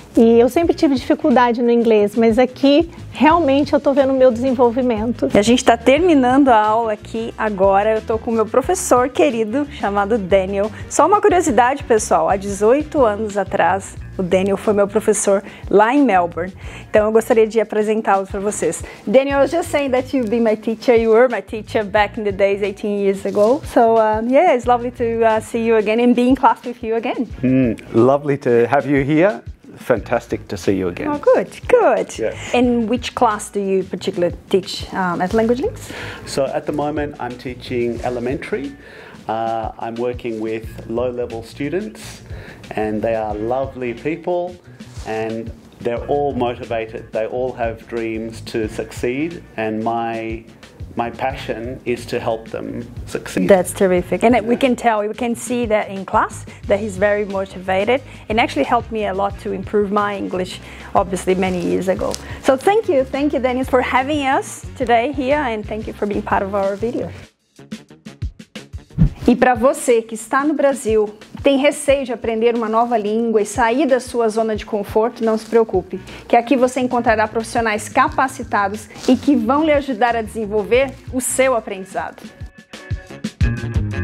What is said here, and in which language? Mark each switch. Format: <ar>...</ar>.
<pt>E eu sempre tive dificuldade no inglês, mas aqui realmente eu tô vendo o meu desenvolvimento. E a gente tá terminando a aula aqui agora, eu tô com o meu professor querido chamado Daniel. Só uma curiosidade, pessoal, há 18 anos atrás, o Daniel foi meu professor lá em Melbourne. Então eu gostaria de apresentá-los para vocês.</pt> <en>Daniel, I was just saying that you've been my teacher, you were my teacher back in the days, 18 years ago. So yeah, it's lovely to see you again and be in class with you again. Lovely to have you here. Fantastic to see you again. Oh, good, good. Yes. In which class do you particularly teach at Langdlings? So at the moment I'm teaching elementary. I'm working with low-level students and they are lovely people and they're all motivated. They all have dreams to succeed and my passion is to help them succeed. That's terrific. And we can tell, we can see that in class, that he's very motivated. It actually helped me a lot to improve my English, obviously, many years ago. So thank you, Dennis, for having us today here and thank you for being part of our video.</en> <pt>E para você que está no Brasil, tem receio de aprender uma nova língua e sair da sua zona de conforto, não se preocupe, que aqui você encontrará profissionais capacitados e que vão lhe ajudar a desenvolver o seu aprendizado.</pt>